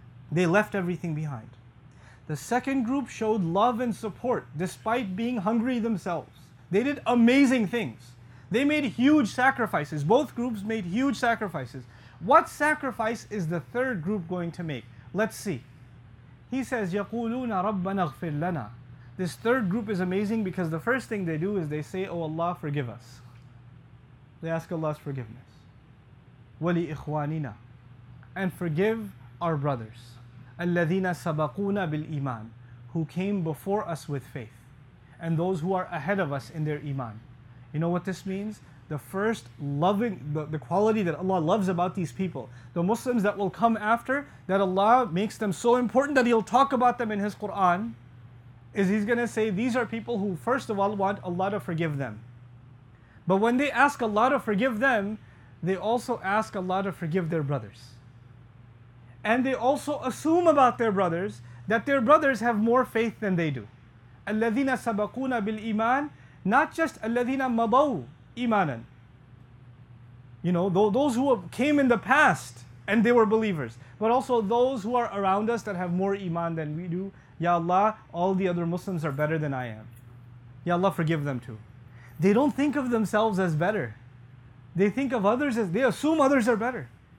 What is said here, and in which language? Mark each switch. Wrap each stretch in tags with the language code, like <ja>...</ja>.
<en>They left everything behind. The second group showed love and support despite being hungry themselves. They did amazing things. They made huge sacrifices. Both groups made huge sacrifices. What sacrifice is the third group going to make? Let's see. He says,</en> <ar>يَقُولُونَ رَبَّنَا اغْفِرْ لَنَا.</ar> <en>This third group is amazing because the first thing they do is they say, oh Allah, forgive us. They ask Allah's forgiveness.</en> <ar>وَلِإِخْوَانِنَا.</ar> <en>And forgive our brothers.</en> <ar>الَّذِينَ سَبَقُونَ بِالْإِيمَانِ.</ar> <en>Who came before us with faith. And those who are ahead of us in their iman. You know what this means? The first loving, the quality that Allah loves about these people, the Muslims that will come after, that Allah makes them so important that He'll talk about them in His Quran, is He's going to say, these are people who first of all want Allah to forgive them. But when they ask Allah to forgive them, they also ask Allah to forgive their brothers. And they also assume about their brothers that their brothers have more faith than they do.</en> <ar>الَّذِينَ سَبَقُونَ بِالْإِيمَانِ.</ar> <en>Not just</en> <ar>الَّذِينَ مَضَوْا إِيمَانًا.</ar> <en>You know, those who came in the past and they were believers. But also those who are around us that have more iman than we do. Ya Allah, all the other Muslims are better than I am. Ya Allah, forgive them too. They don't think of themselves as better. They think of others as, they assume others are better.</en>